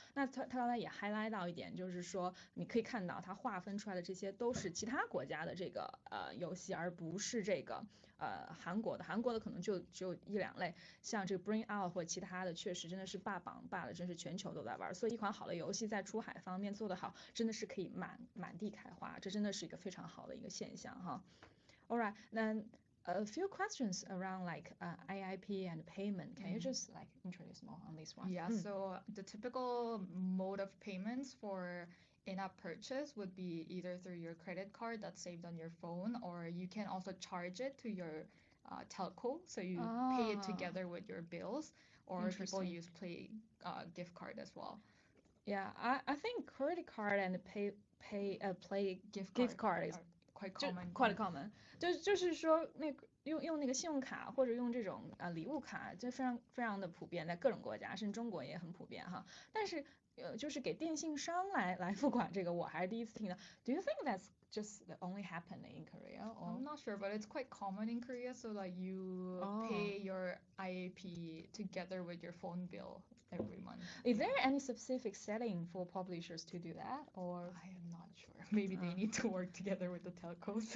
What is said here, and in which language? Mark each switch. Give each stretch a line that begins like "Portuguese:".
Chinese: 那他刚才也 highlight 到一点，就是说你可以看到他划分出来的这些都是其他国家的这个游戏，而不是这个韩国的。韩国的可能就一两类，像这个 Bring Out 或其他的，确实真的是霸榜霸的，真是全球都在玩。所以一款好的游戏在出海方面做得好，真的是可以满地开花，这真的是一个非常好的一个现象哈。
English: Alright, then a few questions around like AIP and payment. Can you just like introduce more on this one? Yeah, so the typical mode of payments for in-app purchase would be either through your credit card that's saved on your phone, or you can also charge it to your telco, so you pay it together with your bills, or people Interesting. use play gift card as well. Yeah, I think credit card and play Gift gift card is or quite common. Quite common.
Chinese: 就是说那个用那个信用卡或者用这种礼物卡就非常非常的普遍，在各种国家，甚至中国也很普遍哈。但是就是给电信商来付款这个我还是第一次听的。
English: Do you think that's just the only happen in Korea? Or? I'm not sure, but it's quite common in Korea. So like you pay your IAP together with your phone bill every month. Is there any specific setting for publishers to do that? Or I am not sure. Maybe they need to work together with the telcos.